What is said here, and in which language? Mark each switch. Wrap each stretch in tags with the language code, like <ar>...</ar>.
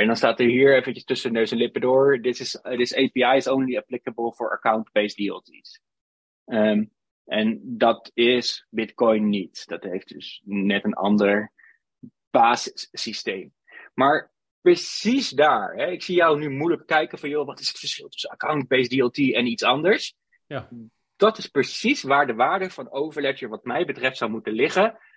<nl>En dan staat er hier eventjes tussen neus en lippen door.</nl> <en>This API is only applicable for account-based DLTs.</en> <nl>En dat is Bitcoin niet. Dat heeft dus net een ander basissysteem. Maar precies daar, hè, ik zie jou nu moeilijk kijken van, joh, wat is het verschil tussen account-based DLT en iets anders? Ja. Dat is precies waar de waarde van Overledger wat mij betreft zou moeten liggen.</nl>